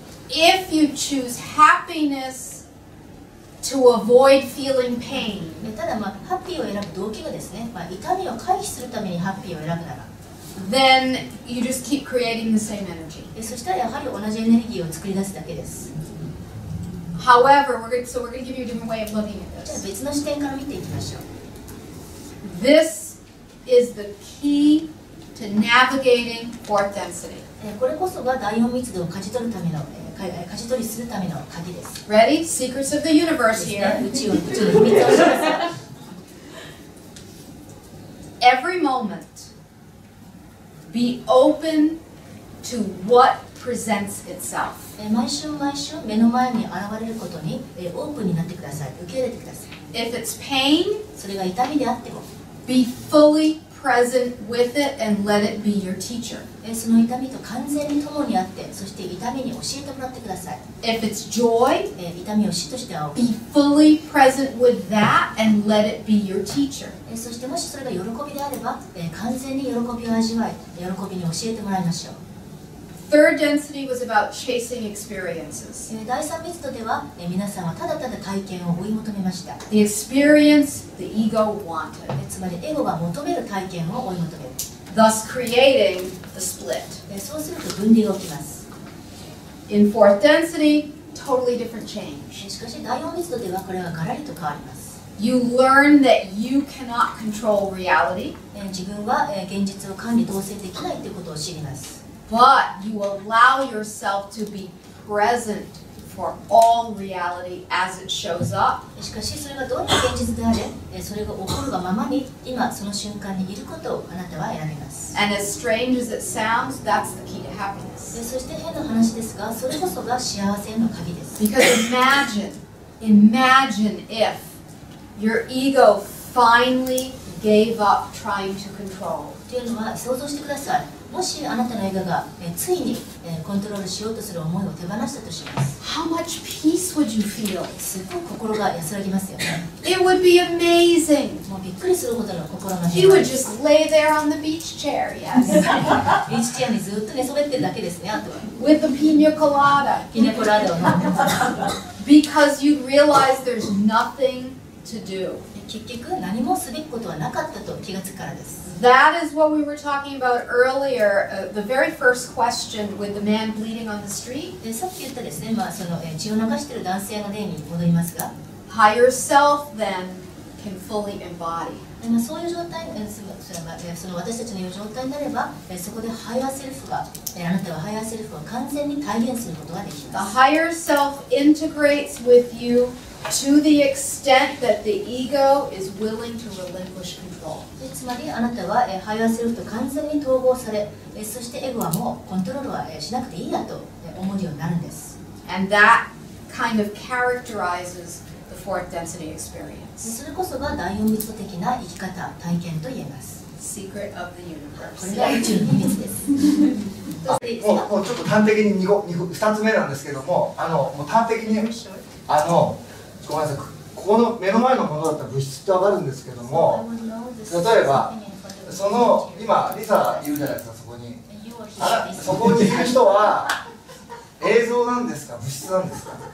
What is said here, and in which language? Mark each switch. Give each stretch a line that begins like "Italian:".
English: If you choose happiness to avoid feeling pain,
Japanese: ただハッピーを選ぶ動機がですね、痛みを回避するためにハッピーを選ぶなら、
English: then you just keep creating the same energy.
Japanese: そしたらやはり同じエネルギーを作り出すだけです。
English: However, we're going to give you a different way of looking at this.
Japanese: じゃあ別の視点から見ていきましょう。
English: This is the key to navigating fourth density.
Japanese: これこそが第四密度を舵取るための、舵取りするための鍵です。
English: Ready? Secrets of the universe here.
Japanese: 宇宙の秘密を知らせます。
English: Every moment, be open to what presents itself.
Japanese: 毎週毎週目の前に現れることにオープンになってください。受け入れてください。
English: If it's pain,
Japanese: それが痛みであっても、
English: be fully present with it and let it be your teacher.
Japanese: その痛みと完全に共にあって、そして痛みに教えてもらってください。
English: If it's joy,
Japanese: 痛みを師としてあおう。
English: Be fully present with that and let it be your teacher.
Japanese: そしてもしそれが喜びであれば、完全に喜びを味わい、喜びに教えてもらいましょう。
English: Third density was about chasing experiences.
Japanese: 第三密度では、皆さんはただただ体験を追い求めました。
English: The experience the ego wanted.
Japanese: つまりエゴが求める体験を追い求める。
English: Thus creating the split.
Japanese: そうすると分離が起きます。
English: In fourth density, totally different change.
Japanese: しかし第四密度ではこれはガラリと変わります。
English: You learn that you cannot control reality.
Japanese: 自分は現実を管理統制できないということを知ります。
English: But you allow yourself to be present for all reality as it shows up.
Japanese: しかしそれがどんな現実であれ、それが起こるがままに今その瞬間にいることをあなたは選びます。
English: And as strange as it sounds, that's the key to happiness.
Japanese: そして変な話ですが、それこそが幸せの鍵です。
English: Because imagine if your ego finally gave up trying to control.
Japanese: というのは想像してください。もしあなたの映画が、ついに、コントロールしようとする思いを手放したとします。
English: How much peace would you feel?
Japanese: すごく心が安らぎますよね。
English: It would be amazing!
Japanese: もうびっくりするほどの心の平和。
English: He would just lay there on the beach chair, yes.
Japanese: ビーチチェアにずっと寝そべってるだけですね、あとは。
English: With the piña colada.
Japanese: ピニャコラダを飲んでます。
English: Because you realize there's nothing to do.
Japanese: 結局何もすべきことはなかったと気がつくからです。
English: That is what we were talking about earlier, the very first question with the man bleeding on the street.
Japanese: さっき言ったですね、まあその血を流している男性の例に戻りますが。
English: Higher self then can fully embody.
Japanese: でもそういう状態、その私たちのいう状態になれば、そこで higher self が、あなたは higher self を完全に体現することができます。
English: The higher self integrates with you to the extent that the ego is willing to relinquish control.
Japanese: つまりあなたはハイアーセルフと完全に統合され、そしてエゴはもうコントロールはしなくていいやと思うようになるんです。
English: And that kind of characterizes the fourth density experience.
Japanese: それこそが第四密度的な生き方、体験と言えます。
English: Secret of the universe.
Japanese: これが宇宙の秘密です。もうちょっと端的に2つ目なんですけども、もう端的に、ごめんなさい。ここの目の前のものだったら物質って分かるんですけども、例えばその今リサいるじゃないですか、そこにあらそこにいる人は映像なんですか物質なんですか。